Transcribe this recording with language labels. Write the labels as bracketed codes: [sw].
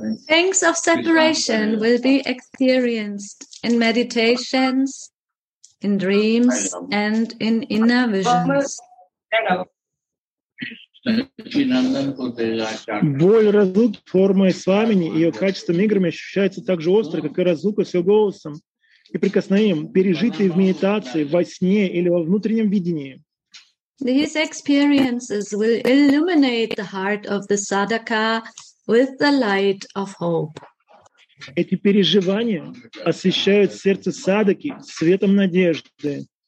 [en] Pangs of separation will be experienced in meditations, in dreams, and in inner visions. [ru] Боль разлуки формой свамини и ее качеством играми ощущается так же остро, как и разлука с ее голосом и прикосновением, пережитые в медитации, во сне или во внутреннем видении. [en] These experiences will illuminate the heart of the sadhaka with the light of hope. [ru] Эти переживания освещают сердце садаки светом надежды.